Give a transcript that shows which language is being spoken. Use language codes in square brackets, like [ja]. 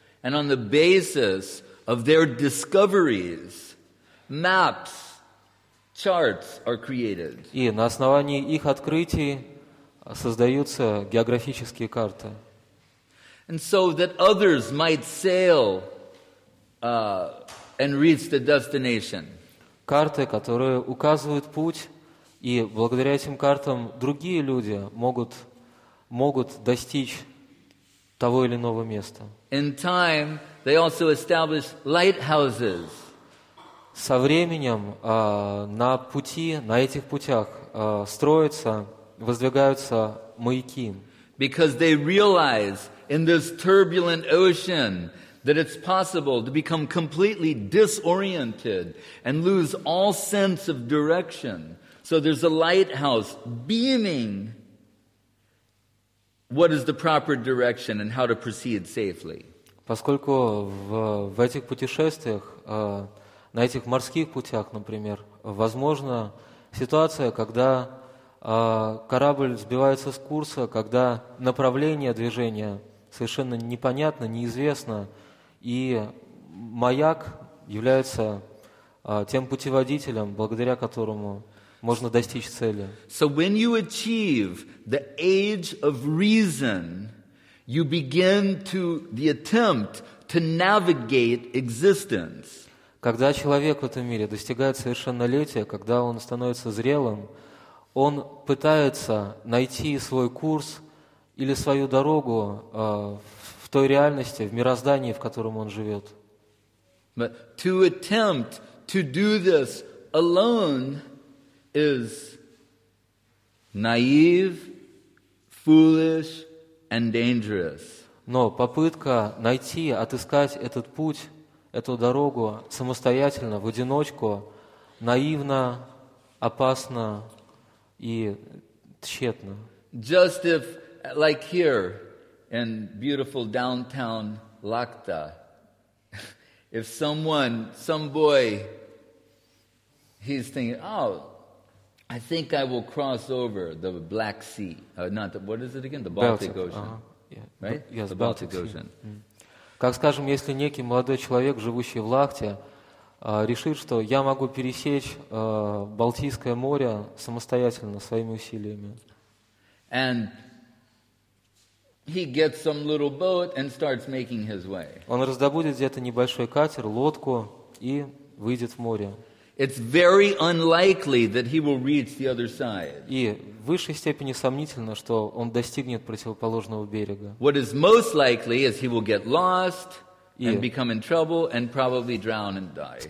[en] And on the basis of their discoveries, maps, charts are created. [ru] И на основании их открытий создаются географические карты. [en] And so that others might sail and reach the destination. [ru] Карты, которые указывают путь, и благодаря этим картам другие люди могут достичь того или иного места. [en] In time, they also establish lighthouses. [ru] Со временем на пути, на этих путях строятся, воздвигаются маяки. [en] Because they realize in this turbulent ocean that it's possible to become completely disoriented and lose all sense of direction. So there's a lighthouse beaming what is the proper direction and how to proceed safely. [ru] Поскольку в этих путешествиях, на этих морских путях, например, возможна ситуация, когда корабль сбивается с курса, когда направление движения совершенно непонятно, неизвестно, и маяк является тем путеводителем, благодаря которому можно достичь цели. [en] So when you achieve the age of reason, you begin to the attempt to navigate existence. [ru] Когда человек в этом мире достигает совершеннолетия, когда он становится зрелым, он пытается найти свой курс или свою дорогу в той реальности, в мироздании, в котором он живет. [en] But to attempt to do this alone is naive, foolish, and dangerous. [ru] Но попытка найти, отыскать этот путь, эту дорогу самостоятельно, в одиночку, наивно, опасно и тщетно. [en] Just if, like here in beautiful downtown Lakta, if someone, some boy, he's thinking, oh, I think I will cross over the Black Sea. Not the, what is it again? The Baltic, Baltic Ocean. Uh-huh. Right? Yes, the Baltic, Baltic Ocean. Mm-hmm. [ru] Как, скажем, если некий молодой человек, живущий в Лахте, решит, что я могу пересечь Балтийское море самостоятельно, своими усилиями. [en] And he gets some little boat and starts making his way. [ru] Он раздобудет где-то небольшой катер, лодку и выйдет в море. [en] It's very unlikely that he will reach the other side. [ru] И в высшей степени сомнительно, что он достигнет противоположного берега. [en] What is most likely is he will get lost and become in trouble and probably drown and die.